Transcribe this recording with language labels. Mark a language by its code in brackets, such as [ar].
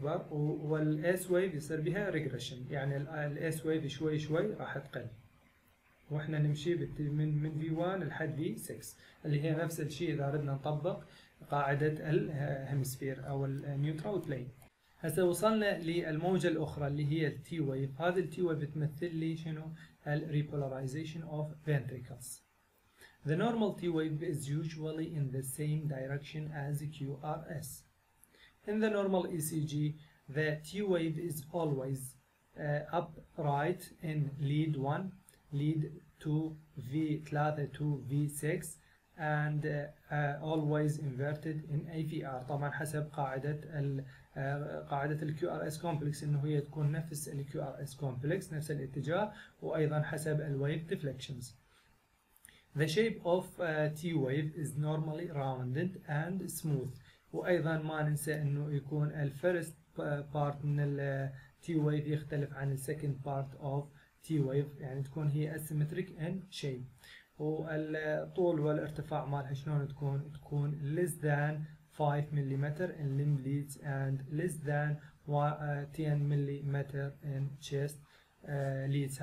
[ar] والاس ويف يصير بها ريجريشن، يعني الاس ويف شوي شوي راح تقل واحنا نمشي من في 1 لحد في 6 اللي هي نفس الشيء اذا ردنا نطبق قاعده الهيمسفير او النيوترال بلين. هسه وصلنا للموجه الاخرى اللي هي التي ويف، هذا التي ويف بتمثل لي شنو الريبولاريزيشن اوف فنتريكلز. [en] The normal T wave is usually in the same direction as QRS. In the normal ECG, the T wave is always upright in lead 1, lead 2, V3, 2, V6, and always inverted in AVR. [ar] طبعا حسب قاعدة قاعدة الـ QRS complex انه هي تكون نفس الـ QRS complex نفس الاتجاه، وايضا حسب الـ wave deflections. [en] The shape of T wave is normally rounded and smooth. [ar] وايضا ما ننسى انه يكون الـ [en] first part [ar] من الـ T wave يختلف عن الـ [en] second part of T wave، [ar] يعني تكون هي [en] asymmetric in shape. [ar] والطول والارتفاع مالها شلون تكون [en] less than 5 mm in limb leads and less than 10 mm in chest [ar] ليدز.